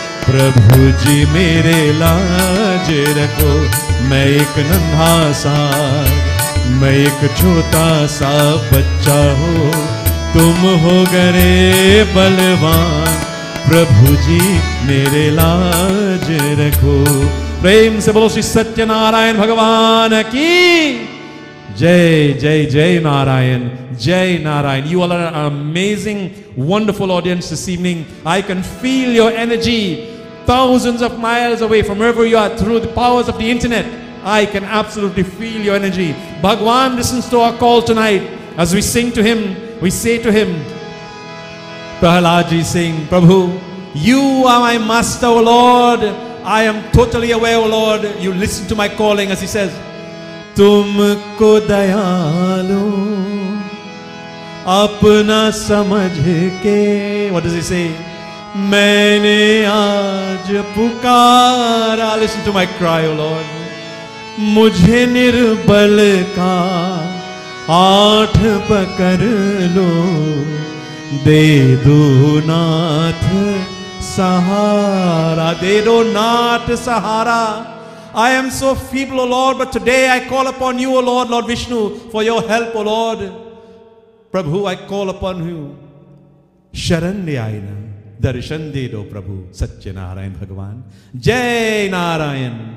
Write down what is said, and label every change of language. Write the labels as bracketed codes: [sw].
[hi] प्रभु जी मेरे लाज रखो, मैं एक नन्हा सा, मैं एक छोटा सा बच्चा हो, तुम हो गरे बलवान, प्रभु जी मेरे लाज रखो। प्रेम से बोलो श्री सत्यनारायण भगवान की जय। जय जय नारायण, जय Narayan. [en] You all are an amazing wonderful audience this evening. I can feel your energy thousands of miles away from wherever you are through the powers of the internet. I can absolutely feel your energy. Bhagwan listens to our call tonight. As we sing to him, we say to him, Prahlad ji sing, Prabhu, you are my master, O Lord. I am totally aware, O Lord. You listen to my calling, as he says, [hi] Tumko dayalu apna samajhke. [en] What does he say? [hi] मैंने आज पुकारा, [en] listen to my cry, O Lord. [hi] मुझे निर्बल का आठ पकड़ लो, दे दो नाथ सहारा, दे दो नाथ सहारा. [en] I am so feeble, O Lord, but today I call upon you, O Lord, Lord Vishnu, for your help, O Lord. Prabhu, I call upon you. [hi] शरण ले आई ना, दर्शन दे दो प्रभु सच्चे नारायण भगवान. जय नारायण.